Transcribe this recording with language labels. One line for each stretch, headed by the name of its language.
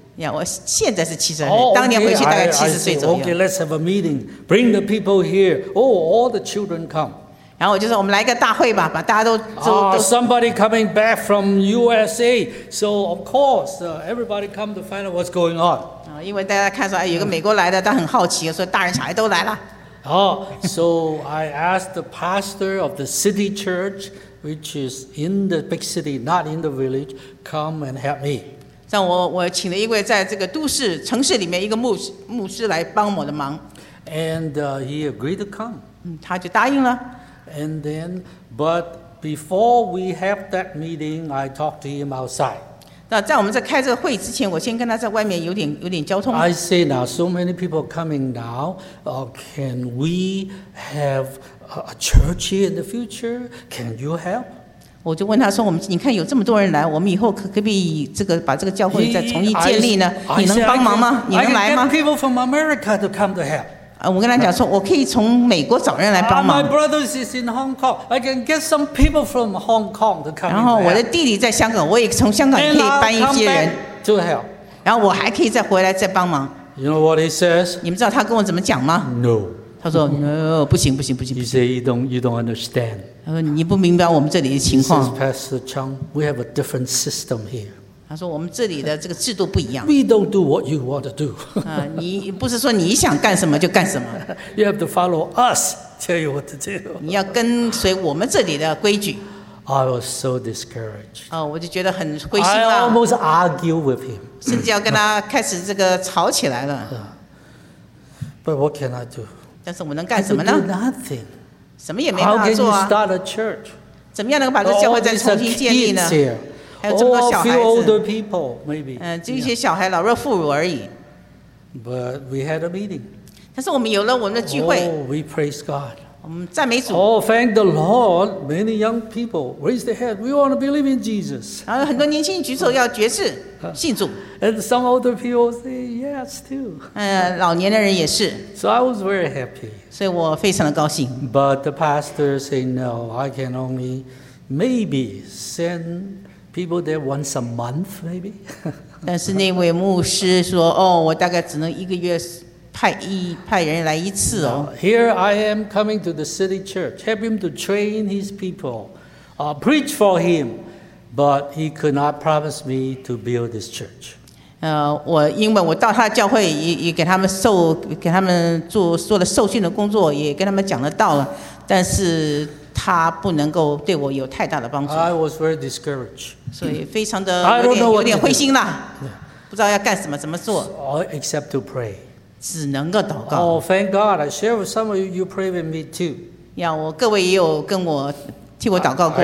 Chinese: Yeah, 我现在是72，当年回去大概70岁左右。
English: Okay, let's have a meeting. Bring the people here. Oh, all the children come.
Chinese: 然后我就说，我们来一个大会吧，把大家都。
English: Somebody coming back from USA, so of course, everybody come to find out what's going on.
Chinese: 因为大家看说，哎，有个美国来的，他很好奇，所以大人小孩都来了。
English: So I asked the pastor of the city church, which is in the big city, not in the village, come and help me.
Chinese: 让我请了一位在这个都市城市里面一个牧师来帮我的忙。
English: And he agreed to come.
Chinese: 他就答应了。
English: And then, but before we have that meeting, I talked to him outside.
Chinese: 那在我们在开这个会之前，我先跟他在外面有点交通。
English: I say now, so many people coming now. Can we have a church here in the future? Can you help?
Chinese: 我就问他说，我们你看有这么多人来，我们以后可不可以把这个教会再重新建立呢？你能帮忙吗？你能来吗
English: ？I can get people from America to come to help.
Chinese: 我跟他讲说，我可以从美国找人来帮忙。
English: My brother is in Hong Kong. I can get some people from Hong Kong to come.
Chinese: 然后我的弟弟在香港，我也从香港可以搬一些人。
English: To help.
Chinese: 然后我还可以再回来再帮忙。
English: You know what he says?
Chinese: 你们知道他跟我怎么讲吗
English: ？No.
Chinese: 他说 No, 不行。
English: He says you don't understand.
Chinese: 他说你不明白我们这里的情况。
English: Pastor Chang, we have a different system here.
Chinese: 他说：“我们这里的这个制度不一样。
English: We don't do what you want to do.
Chinese: 你不是说你想干什么就干什么。
English: You have to follow us. Tell you what to do.
Chinese: 你要跟随我们这里的规矩。
English: I was so discouraged.
Chinese: 我就觉得很灰心了。
English: I almost argued with him.
Chinese: 甚至要跟他开始这个吵起来了。
English: But what can I do?
Chinese: 但是我能干什么呢
English: ？I can do nothing.
Chinese: 什么也没办法做啊。
English: How can you start a church?
Chinese: 怎么样能够把这教会再重新建立呢？” 还有这么多小孩子，就一些小孩老弱妇孺而已。
English: But we had a meeting.
Chinese: 但是我们有了我们的聚会。
English: Oh, we praise God.
Chinese: 我们赞美主。
English: Oh, thank the Lord. Many young people raise their head. We want to believe in Jesus.
Chinese: 然后很多年轻人举手要爵士信主。
English: And some older people say yes too.
Chinese: 老年的人也是。
English: So I was very happy.
Chinese: 所以我非常的高兴。
English: But the pastor say no. I can only maybe send. People there once a month, maybe.
Chinese: 但是那位牧师说：“我大概只能一个月派人来一次哦。”
English: Here I am coming to the city church, help him to train his people, preach for him, but he could not promise me to build this church.
Chinese: 因为我到他教会也给他们受给他们做了受训的工作，也跟他们讲了道了，但是。他不能够对我有太大的帮助。
English: I was very discouraged.
Chinese: 所以非常的有点灰心了， yeah. 不知道要干什么，怎么做。
English: So, except to pray.
Chinese: 只能够祷告。
English: Oh, thank God! I share with some of you. You pray with me too.
Chinese: 呀，我各位也有跟我替我祷告过。